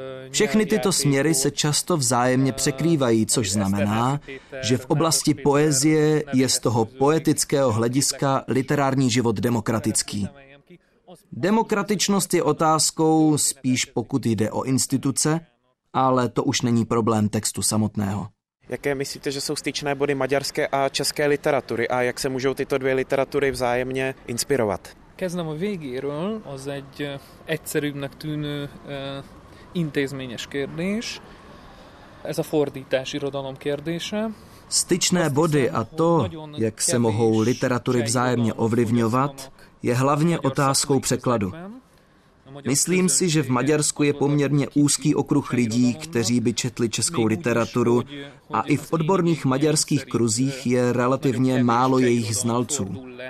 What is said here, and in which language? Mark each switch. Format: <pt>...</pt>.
<cs>Všechny tyto směry se často vzájemně překrývají, což znamená, že v oblasti poezie je z toho poetického hlediska literární život demokratický. Demokratičnost je otázkou spíš pokud jde o instituce, ale to už není problém textu samotného. Jaké myslíte, že jsou styčné body maďarské a české literatury a jak se můžou tyto dvě literatury vzájemně inspirovat?</cs> <hu>Kezdem a végéről, az egy egyszerűbbnek tűnő intézményes kérdés. Ez a fordítás irodalom kérdése.</hu> <cs>Styčné body a to, jak se mohou literatury vzájemně ovlivňovat, je hlavně otázkou překladu. Myslím si, že v Maďarsku je poměrně úzký okruh lidí, kteří by četli českou literaturu a i v odborných maďarských kruzích je relativně málo jejich znalců.</cs>